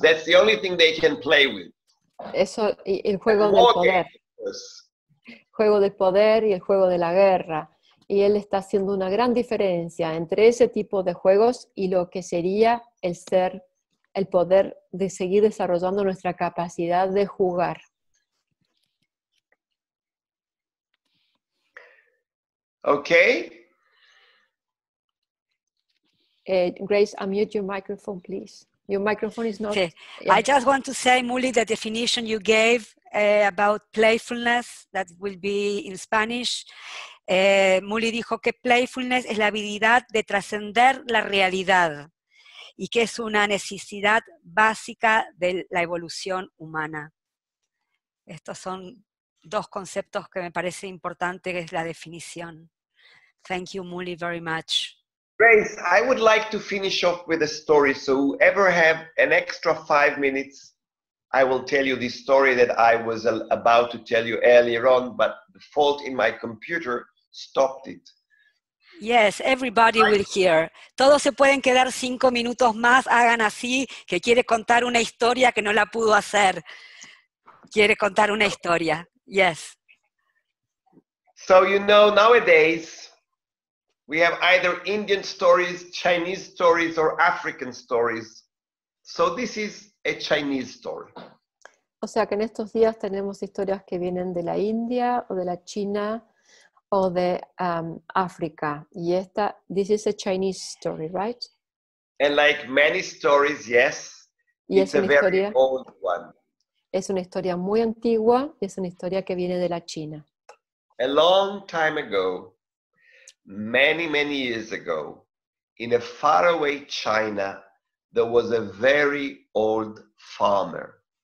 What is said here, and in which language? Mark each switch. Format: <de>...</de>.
<en>That's the only thing they can play with.</en> <es>Eso, el juego del poder. Juego del poder y el juego de la guerra. Y él está haciendo una gran diferencia entre ese tipo de juegos y lo que sería el ser, el poder de seguir desarrollando nuestra capacidad de jugar.</es> <en>Okay. Grace, unmute your microphone, please. Your microphone is not... Okay. Yeah. I just want to say, Muli, the definition you gave about playfulness, that will be in Spanish.</en> <es>Muli dijo que playfulness es la habilidad de trascender la realidad y que es una necesidad básica de la evolución humana. Estos son dos conceptos que me parece importante, que es la definición.</es> <en>Thank you, Muli, very much. Grace, I would like to finish off with a story. So whoever have an extra 5 minutes, I will tell you this story that I was about to tell you earlier on, but the fault in my computer stopped it. Yes, everybody will hear.</en> <es>Todos se pueden quedar 5 minutos más, hagan así, que quiere contar una historia que no la pudo hacer. Quiere contar una historia. Yes.</es> <en>So you know, nowadays, we have either Indian stories, Chinese stories, or African stories. So this is a Chinese story.</en> <es>O sea que en estos días tenemos historias que vienen de la India, o de la China, o de África. Y esta,</es> <en>this is a Chinese story, right? And like many stories, yes,</en> <es>y</es> <en>it's a very old one.</en> <es>Es una historia muy antigua, y es una historia que viene de la China.</es> <en>A long time ago, many, many years ago, in a faraway China, there was a very old farmer.</en>